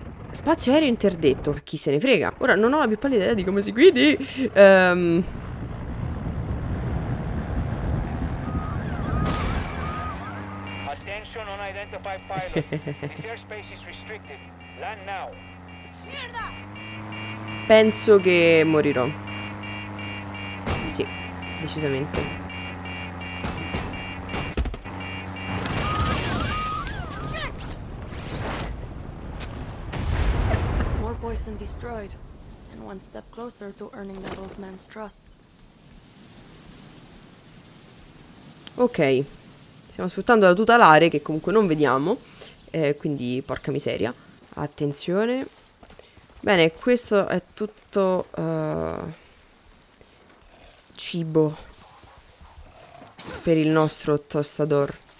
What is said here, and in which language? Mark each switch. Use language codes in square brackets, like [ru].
[it] Spazio aereo interdetto. Chi se ne frega. Ora non ho la più pallida idea di come si guidi. [en] Attention on identified pilot. This airspace is restricted. Land now. [es] Mierda! [it] Penso che morirò. Sì, decisamente. [en] poison destroyed, and one step closer to earning that old man's trust. [it] Ok, stiamo sfruttando la tutelare che comunque non vediamo, quindi porca miseria, attenzione. Bene, questo è tutto cibo per il nostro tostador.